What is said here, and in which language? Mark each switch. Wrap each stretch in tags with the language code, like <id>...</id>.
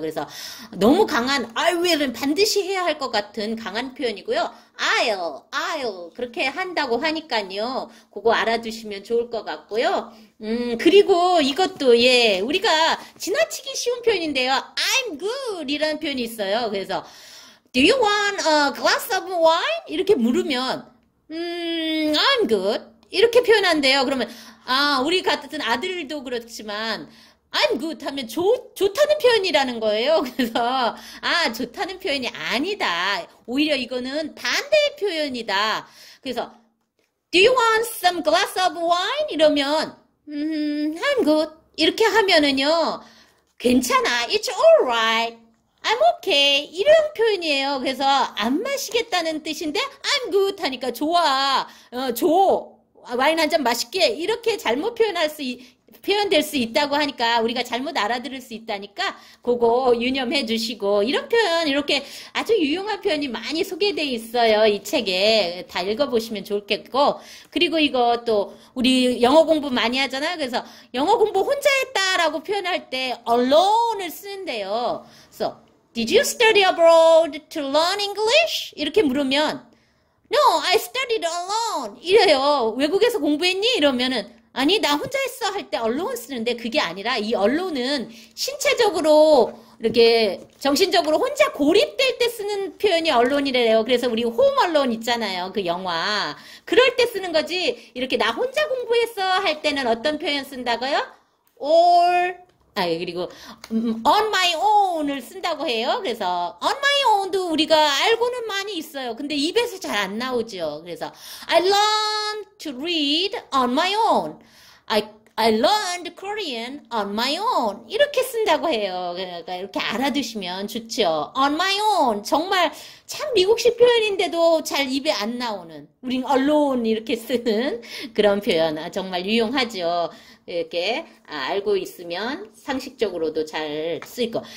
<ko>그래서 너무 강한 I will은 반드시 해야 할것 같은 강한 표현이고요. I'll 그렇게 한다고 하니까요. 그거 알아두시면 좋을 것 같고요. 그리고 이것도 예, 우리가 지나치기 쉬운 표현인데요. I'm good 이라는 표현이 있어요. 그래서</ko> <en>Do you want a glass of wine?</en> <ko>이렇게 물으면</ko> <en>I'm good</en> <ko>이렇게 표현한대요. 그러면 아, 우리 같은 아들도 그렇지만</ko> <en>I'm good</en> <ko>하면 좋다는 표현이라는 거예요. 그래서 아, 좋다는 표현이 아니다. 오히려 이거는 반대의 표현이다. 그래서</ko> <en>Do you want some glass of wine?</en> <ko>이러면</ko> <en>I'm good.</en> <ko>이렇게 하면은요, 괜찮아.</ko> <en>It's alright. I'm okay.</en> <ko>이런 표현이에요. 그래서 안 마시겠다는 뜻인데,</ko> <en>I'm good</en> <ko>하니까 좋아. 줘. 와인 한잔 마실게. 이렇게 잘못 표현될 수 있다고 하니까, 우리가 잘못 알아들을 수 있다니까, 그거 유념해 주시고, 이런 표현, 이렇게 아주 유용한 표현이 많이 소개되어 있어요. 이 책에. 다 읽어보시면 좋겠고. 그리고 이거 또, 우리 영어 공부 많이 하잖아요. 그래서, 영어 공부 혼자 했다라고 표현할 때, alone을 쓰는데요.</ko> <en>So, did you study abroad to learn English?</en> <ko>이렇게 물으면,</ko> <en>No, I studied alone.</en> <ko>이래요. 외국에서 공부했니? 이러면은, 아니, 나 혼자 했어 할때 언론 쓰는데 그게 아니라 이 언론은 신체적으로 이렇게 정신적으로 혼자 고립될 때 쓰는 표현이 언론이래요. 그래서 우리 홈 언론 있잖아요. 그 영화. 그럴 때 쓰는 거지. 이렇게 나 혼자 공부했어 할 때는 어떤 표현 쓴다고요?</ko> <en>All.</en> <ko>아, 그리고</ko> <en>on my own</en> <ko>을 쓴다고 해요. 그래서</ko> <en>on my own</en> <ko>도 우리가 알고는 많이 있어요. 근데 입에서 잘안 나오죠.</ko> <en>그래서 I learned to read on my own. I learned Korean on my own.</en> <ko>이렇게 쓴다고 해요. 그러니까 이렇게 알아두시면 좋죠.</ko> <en>On my own.</en> <ko>정말 참 미국식 표현인데도 잘 입에 안 나오는. 우린 alone 이렇게 쓰는 그런 표현. 아, 정말 유용하죠. 이렇게 알고 있으면 상식적으로도 잘쓸 거.</ko>